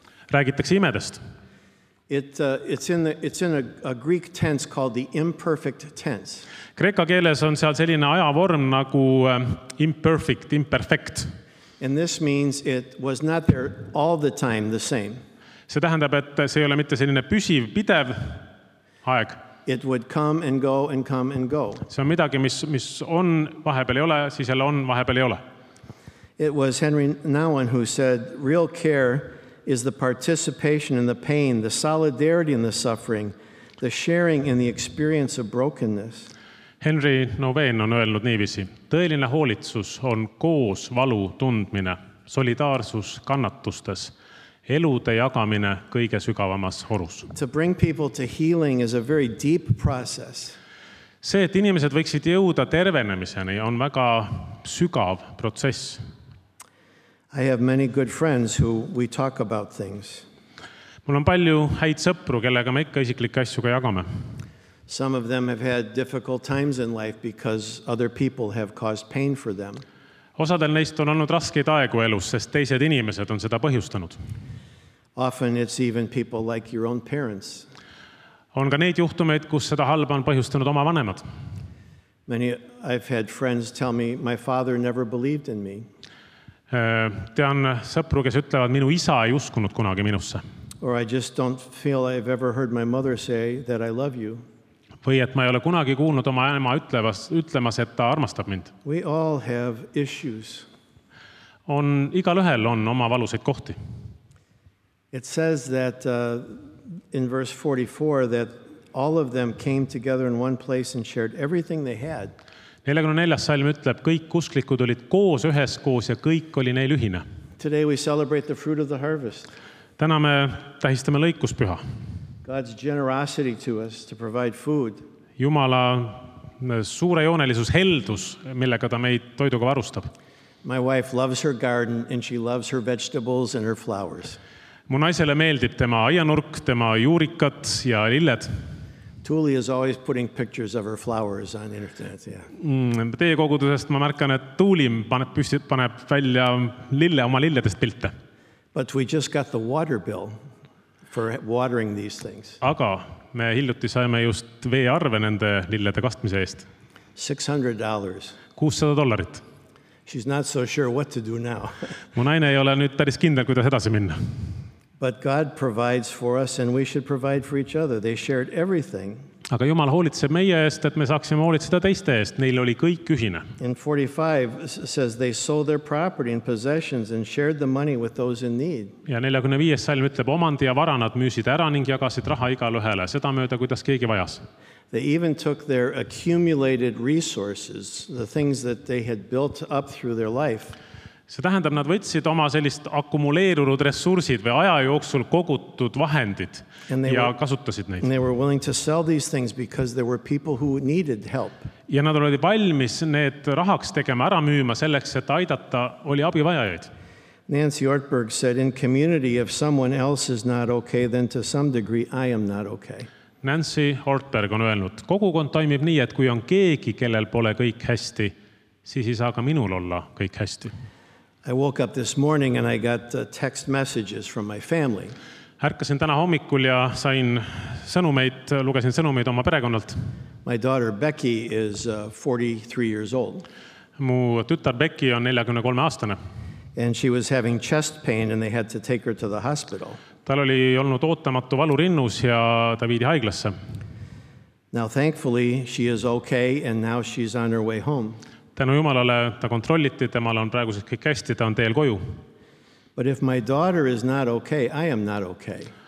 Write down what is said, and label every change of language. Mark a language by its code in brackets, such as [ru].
[et] Räägitakse imedest. [en] It's in a Greek tense called the imperfect tense. [et] Kreeka keeles on seal selline ajavorm nagu imperfect. [en] And this means it was not there all the time the same. [et] See tähendab, et see ei ole mitte selline püsiv, pidev aeg. [en] It would come and go and come and go. [et] See on midagi, mis on vahepeal ei ole, siis jälle on vahepeal ei ole. [en] It was Henry Nouwen who said, real care is the participation in the pain, the solidarity in the suffering, the sharing in the experience of brokenness. [et] Henry Nouwen on öelnud niiviisi. Tõeline hoolitsus on koos valu tundmine, solidaarsus kannatustes, elude jagamine kõige sügavamas horus. [en] To bring people to healing is a very deep process. [et] See, et inimesed võiksid jõuda tervenemiseni, on väga sügav protsess. [en] I have many good friends who we talk about things. [et] Mul on palju häid sõpru, kellega me ikka isiklikke asju ka jagame. [en] Some of them have had difficult times in life because other people have caused pain for them. [et] Osadel neist on olnud raskeid aegu elus, sest teised inimesed on seda põhjustanud. [en] Often it's even people like your own parents. [et] On ka neid juhtumeid, kus seda halba on põhjustanud oma vanemad. [en] Many I've had friends tell me my father never believed in me. [et] Tean sõpru, kes ütlevad, minu isa ei uskunud kunagi minusse. [en] Or I just don't feel I've ever heard my mother say that I love you. [et] Või et ma ei ole kunagi kuulnud oma ema ütlemas, et ta armastab mind. [en] We all have issues. [et] On igal ühel on oma valuseid kohti. [en] It says that in verse 44 that all of them came together in one place and shared everything they had. [et] 44. Salm ütleb, kõik usklikud olid koos ühes koos ja kõik oli neil ühine. [en] Today we celebrate the fruit of the harvest. [et] Täna me tähistame lõikuspüha. [en] God's generosity to us to provide food. [et] Jumala suurejoonelisus, heldus, millega ta meid toiduga varustab. [en] My wife loves her garden and she loves her vegetables and her flowers. [et] Mu naisele meeldib tema aianurk, tema juurikad ja lilled. [en] Tuuli is always putting pictures of her flowers on internet, yeah. [et] Teie kogudusest ma märkan, et Tuuli paneb välja lille oma lilledest pilte. [en] But we just got the water bill for watering these things. [et] Aga me hiljuti saime just vee arve nende lillede kastmise eest. [en] $600. [et] $600. [en] She's not so sure what to do now. [et] Mu naine ei ole nüüd päris kindel, kuidas edasi minna. [en] But God provides for us and we should provide for each other. They shared everything. [et] Aga Jumal hoolitseb meie eest, et me saaksime hoolitseda teiste eest. Neil oli kõik ühine. [en] In 45 says they sold their property and possessions and shared the money with those in need. [et] Ja 45. Salm ütleb, omandi ja varanad müüsid ära ning jagasid raha igal ühele. Seda mööda, kuidas keegi vajas. [en] They even took their accumulated resources, the things that they had built up through their life. [et] See tähendab, nad võtsid oma sellist akkumuleerunud ressursid või aja jooksul kogutud vahendid ja kasutasid neid. [en] They were willing to sell these things because there were people who needed help. [et] Ja nad olid valmis need rahaks tegema ära müüma selleks, et aidata oli abivajajaid. [en] Nancy Ortberg said, in community, if someone else is not okay, then to some degree I am not okay. [et] Nancy Ortberg on öelnud, kogukond toimib nii, et kui on keegi, kellel pole kõik hästi, siis ei saa ka minul olla kõik hästi. [en] I woke up this morning and I got text messages from my family. [et] Ärkasin täna hommikul ja sain sõnumeid, lugesin sõnumeid oma perekonnalt. [en] My daughter Becky is 43 years old. [et] Mu tütar Becky on 43 aastane. [en] And she was having chest pain and they had to take her to the hospital. [et] Tal oli olnud ootamatu valu rinnus ja ta viidi haiglasse. [en] Now thankfully she is okay and now she's on her way home. [et] Tänu Jumalale ta kontrolliti, temal on praeguses kõik hästi, ta on teel koju. [en] But if my daughter is not okay, I am not okay.